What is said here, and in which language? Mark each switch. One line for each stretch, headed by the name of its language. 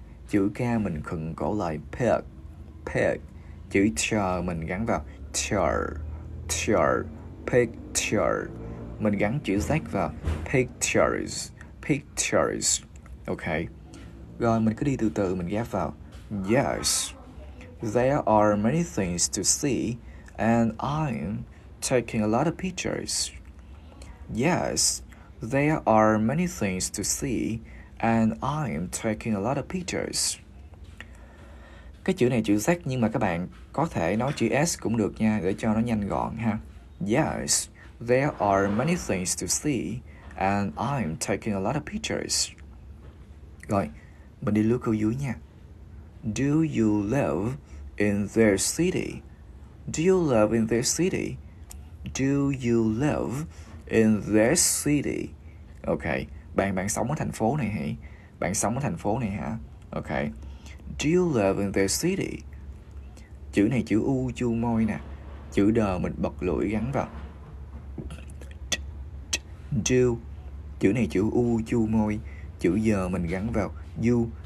Vietnamese: Chữ k mình khựng cổ lại p, p. Chữ ch mình gắn vào ch, ch. Picture. Mình gắn chữ z vào pictures, pictures. Ok. Rồi mình cứ đi từ từ mình ghép vào.
English: Yes, there are many things to see, and I'm taking a lot of pictures. Yes, there are many things to see, and I'm taking a lot of pictures.
Vietnamese: Cái chữ này chữ Z nhưng mà các bạn có thể nói chữ S cũng được nha, để cho nó nhanh gọn ha.
English: Yes, there are many things to see, and I'm taking a lot of pictures.
Vietnamese: Rồi, mình đi lướt câu dưới nha.
English: Do you live in their city? Do you live in their city? Do you live In this city. Okay.
Vietnamese: Bạn sống ở thành phố này hả? Bạn sống ở thành phố này hả? Okay.
English: Do you live in the city?
Vietnamese: Chữ này chữ U chu môi nè. Chữ đờ mình bật lưỡi gắn vào. Do. Chữ này chữ U chu môi. Chữ giờ mình gắn vào. You.